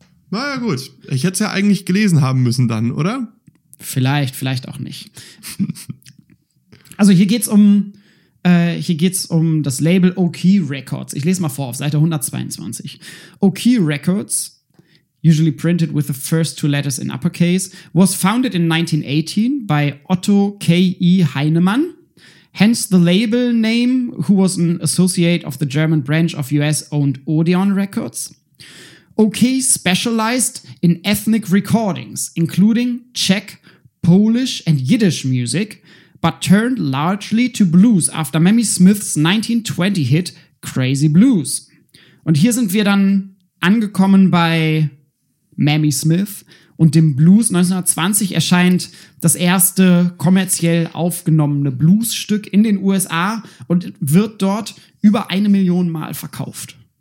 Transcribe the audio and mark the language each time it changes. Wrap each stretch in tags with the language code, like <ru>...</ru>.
<de>Na ja, gut. Ich hätte es ja eigentlich gelesen haben müssen dann, oder? Vielleicht, vielleicht auch nicht. Also hier geht's um das Label OK Records. Ich lese mal vor auf Seite 122.</de> <en>OK Records, usually printed with the first two letters in uppercase, was founded in 1918 by Otto K. E. Heinemann, hence the label name, who was an associate of the German branch of US-owned Odeon Records. OK specialized in ethnic recordings, including Czech, Polish, and Yiddish music, but turned largely to blues after Mammy Smith's 1920 hit Crazy Blues.</en> <de>Und hier sind wir dann angekommen bei Mammy Smith und dem Blues. 1920 erscheint das erste kommerziell aufgenommene Bluesstück in den USA und wird dort über 1 Million Mal verkauft.</de>